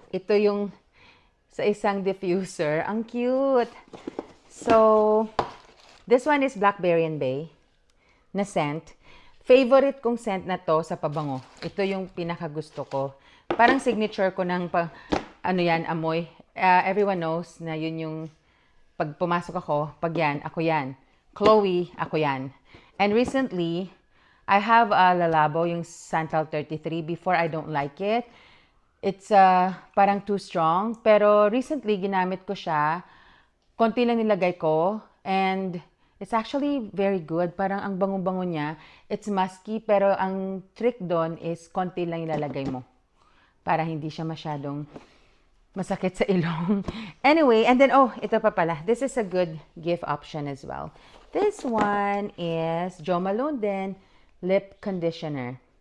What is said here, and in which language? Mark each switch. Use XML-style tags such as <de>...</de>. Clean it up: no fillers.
<tl>Ito yung sa isang diffuser. Ang cute!</tl> <en>So, this one is Blackberry and Bay na scent.</en> <tl>Favorite kong scent na to sa pabango. Ito yung pinakagusto ko. Parang signature ko ng amoy.</tl> <en>Everyone knows</en> <tl>na yun yung pag pumasok ako, pag yan, ako yan. Chloe, ako yan.</tl> <en>And recently, I have a Lalabo, yung Santal 33. Before, I don't like it. It's parang too strong.</en> <tl>Pero recently, ginamit ko siya. Konti lang nilagay ko.</tl> <en>And it's actually very good.</en> <tl>Parang ang bangong-bango niya.</tl> <en>It's musky,</en> <tl>pero ang trick doon is konti lang ilalagay mo. Para hindi siya masyadong masakit sa ilong.</tl> <en>Anyway, and then, oh, ito pa pala. This is a good gift option as well. This one is Jo Malone din, lip conditioner.</en>